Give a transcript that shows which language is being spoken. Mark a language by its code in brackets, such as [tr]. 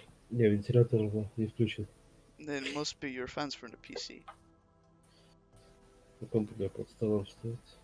[ru] Не, вентилятор не включен. [en] Then it must be your fans from the PC. [ru] На компе под столом стоит.